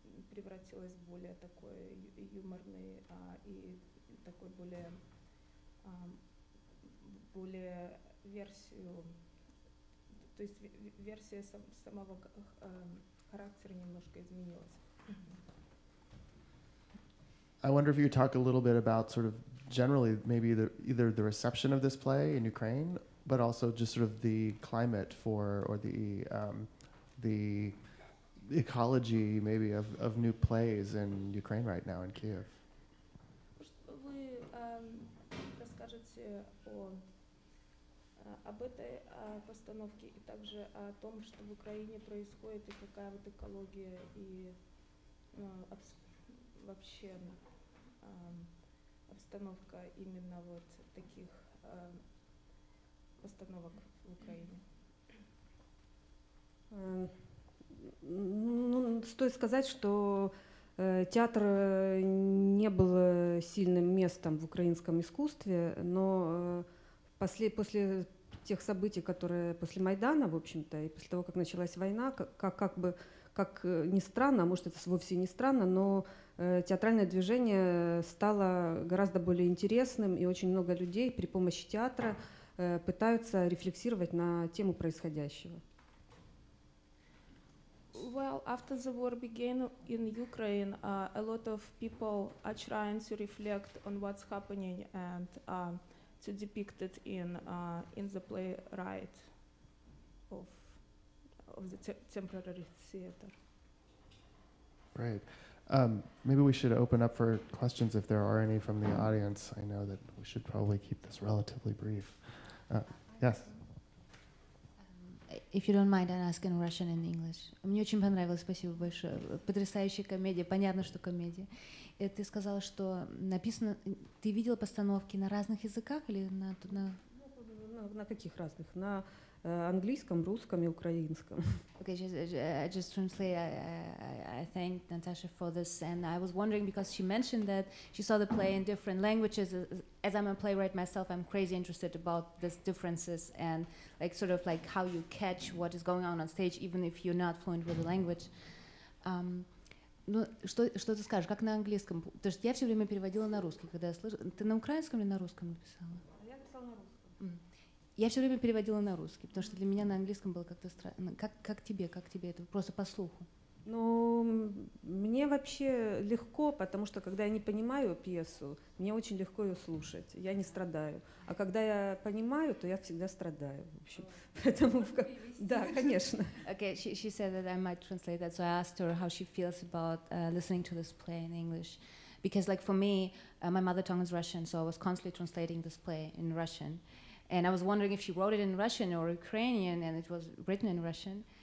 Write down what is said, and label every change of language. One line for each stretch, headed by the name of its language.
Russian: превратилось в более такой юморный и такой более версию, то есть версия самого характера немножко изменилась.
English: I wonder if you talk a little bit about sort of generally maybe either the reception of this play in Ukraine, but also just sort of the climate for, or the ecology maybe of new plays in Ukraine right now in Kyiv.
Ukrainian: Аби те постановки і також о тому, що в Україні проїсходить, яка от екологія і вообще обстановка іменно вот таких постановок в Україні.
Russian: Ну, стоит сказать, что театр не был сильным местом в украинском искусстве, но после тех событий, которые после Майдана, в общем-то, и после того, как началась война, как ни странно, а может, это вовсе не странно, но театральное движение стало гораздо более интересным, и очень много людей при помощи театра пытаются рефлексировать на тему происходящего.
English: Well, after the war began in Ukraine, a lot of people are trying to reflect on what's happening and to depict it in the playwright of the temporary theater. Great. Maybe we should open up for questions if there are any from the audience. I know that we should probably keep this relatively brief. Yes. If you don't mind, I'll ask in Russian and English.
Russian: Мне очень понравилось, спасибо большое. Потрясающая комедия, понятно, что комедия. И ты сказала, что написано... Ты видела постановки на разных языках или на каких разных? На английском, русском и украинском.
English: Okay, just translate. I thank Natasha for this. And I was wondering, because she mentioned that she saw the play in different languages. As I'm a playwright myself, I'm crazy interested about these differences and like sort of like how you catch what is going on stage, even if you're not fluent with the language.
Russian: Ну, что ты скажешь, как на английском? То есть я все время переводила на русский, когда я слышала. Ты на украинском или на русском написала? Я все время переводила на русский, потому что для меня на английском было как-то странно. Как тебе это? Просто по слуху. Ну, мне вообще легко, потому что когда я не понимаю пьесу, мне очень легко ее слушать. Я не страдаю. А когда я понимаю, то я всегда страдаю. В общем, поэтому... Да, конечно.
English: Okay, she said that I might translate that, so I asked her how she feels about listening to this play in English. Because, like, for me, my mother tongue is Russian, so I was constantly translating this play in Russian. And I was wondering if she wrote it in Russian or Ukrainian, and it was written in Russian.